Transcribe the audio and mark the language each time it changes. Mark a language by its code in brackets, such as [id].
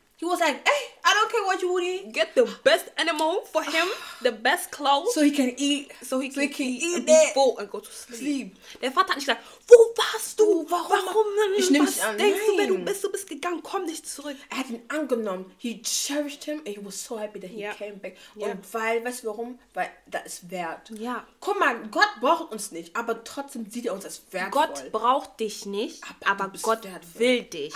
[en] He was like, hey, I don't care what you want to eat. Get the best animal for him, the best clothes. So he can eat. So he can eat and be full and go to sleep. [de] Der Vater hat nicht gesagt, wo warst du? Warum? Ich nehme dich an. Denkst du, wenn du bist gegangen, komm nicht zurück. Er hat ihn angenommen. [en] He cherished him and he was so happy that he came back. Yeah. [de] Und weil, weißt du warum? Weil das ist wert. Ja. Yeah. Guck mal, Gott braucht uns nicht, aber trotzdem sieht er uns als wertvoll. Gott braucht dich nicht, aber Gott will dich.